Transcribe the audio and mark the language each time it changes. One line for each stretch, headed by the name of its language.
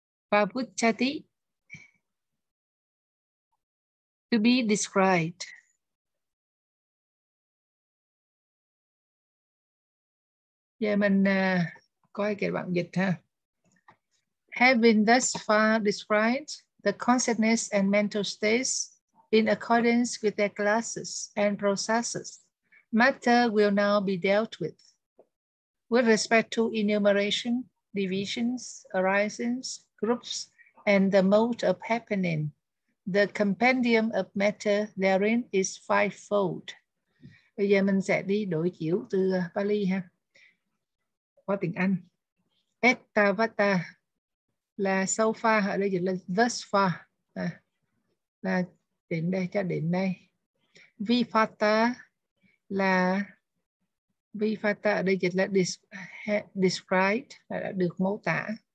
English: Pabuchati, to be described.
Vietnamese: Giờ mình coi kiểu bản dịch ha.
English: Having thus far described the consciousness and mental states in accordance with their classes and processes, matter will now be dealt with. With respect to enumeration, divisions, arisings, groups, and the mode of happening, the compendium of matter therein is fivefold.
Vietnamese: Bây giờ mình sẽ đi đổi kiểu từ Pali ha. Qua tiếng Anh. Etavata là so far, ở đây dịch là
English: thus far,
Vietnamese: là đến đây, cho đến đây. Vipata là Vipata, ở đây dịch là
English: described,
Vietnamese: là được mô tả.